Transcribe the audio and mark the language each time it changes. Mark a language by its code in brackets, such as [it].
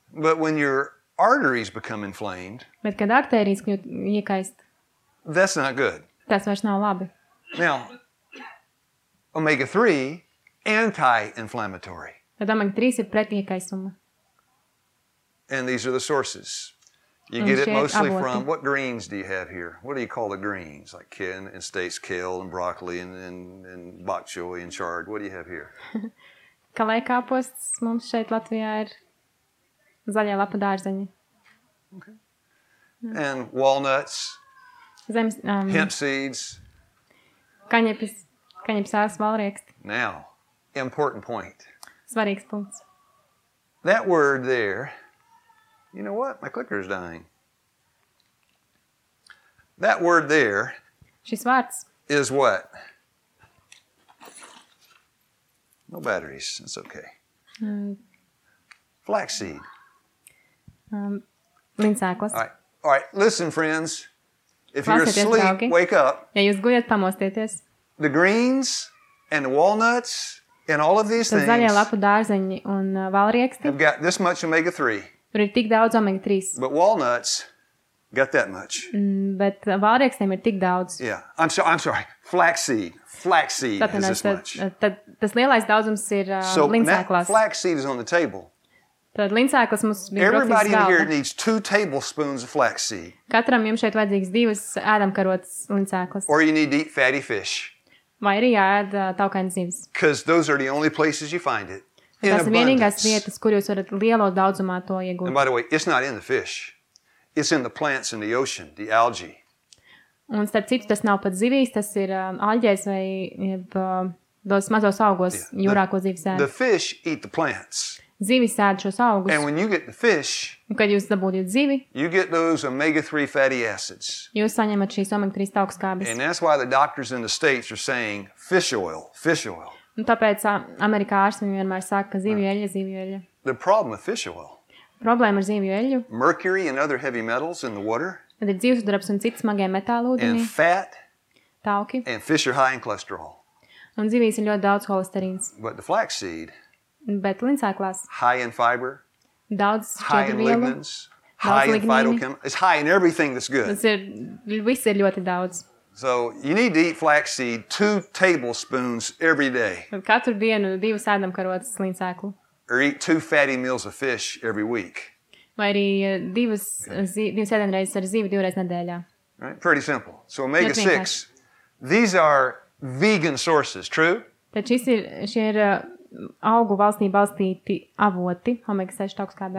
[en] But when your arteries become inflamed? [lv] Bet kad artērijas kļūt iekaist? [en] That's not good. [lv] Tas vairs nav labi. [en] Now, omega-3, anti-inflammatory. [lv] Tad omega-3 ir pret iekaisuma. [en] And these are the sources. You get it mostly from, what greens do you have here? What do you call the greens? Like kin and states kale and broccoli and bok choy and chard. What do you have here? [lv] Kalei kāpostas mums šeit Latvijā ir zaļie lapu dārzeņi. [en] Okay. And walnuts. Hemp seeds. [lv] Kaņepes sāks valrieksti. [en] Now, important point. [lv] Svarīgs punkts. [en] That word there, you know what? My clicker is dying. That word there. [lv] Šis vārds. [en] Is what? No batteries, it's okay. Flaxseed. [lv] Linsēklas. [en] All right, listen, friends. If you're asleep, wake up. [lv] Ja jūs gujat, pamostieties. [en] The greens and the walnuts and all of these things. [lv] Zaļie lapu dārzeņi un valrieksti. [en] Have got this much omega-3. [lv] Tur ir tik daudz omega-3. [en] But walnuts got that much. [lv] Bet valriekstiem ir tik daudz. [en] Yeah. I'm sorry. Flaxseed is this much. [lv] Tad tas lielais daudzums ir linsēklas. [en] So flaxseed is on the table. [lv] Tad linsēklas mums bija [en] Everybody in here needs 2 tablespoons of flaxseed. [lv] Katram jums šeit vajadzīgs 2 ēdamkarotas linsēklas. [en] Or you need to eat fatty fish. [lv] Vai arī jāēd taukainas zivis. [en] Because those are the only places you find it. [lv] Tās ir vienīgās vietas, kur jūs varat lielo daudzumā to iegūt. [en] And by the way, it's not in the fish. It's in the plants in the ocean, the algae. [lv] Un starp citu, tas nav pat zivīs, tas ir aļģēs vai dos mazos augos jūrā, ko zivis ēd. [en] The fish eat the plants. [lv] Zivis ēd šos augus. [en] And when you get the fish, [lv] un kad jūs dabūjat zivi, [en] you get those omega-3 fatty acids. [lv] Jūs saņemat šīs omega-3 taukskābes. [en] And that's why the doctors in the States are saying fish oil. [lv] Un tāpēc Amerikā ārstiem vienmēr saka, ka zivju eļa. [en] The problem with fish oil. [lv] Problēma ar zivju eļu. [en] Mercury and other heavy metals in the water. [lv] Tad ir dzīvsudrabs un citas smagie metālu ūdenī. [en] And fat. [lv] Tauki. [en] And fish are high in cholesterol. [lv] Un zivīs ir ļoti daudz holesterīns. [en] But the flaxseed. [lv] Bet linsēklās. [en] High in fiber. [lv] Daudz šķiedrvielu. [en] High in lignans. High in phytochemicals. It's high in everything that's good. [lv] Tas ir, viss ir ļoti daudz. [en] So you need to eat flaxseed 2 tablespoons every day. [lv] Katru dienu 2 ēdamkarotas linsēklu. [en] Or eat 2 fatty meals of fish every week. [lv] Vai arī divas ēdienreizes ar zivi 2 reizes nedēļā. [en] Right? Pretty simple. So omega-6, these are vegan sources, true? [lv] Tad šie ir augu valstī balstīti avoti, omega-6 taukskābē.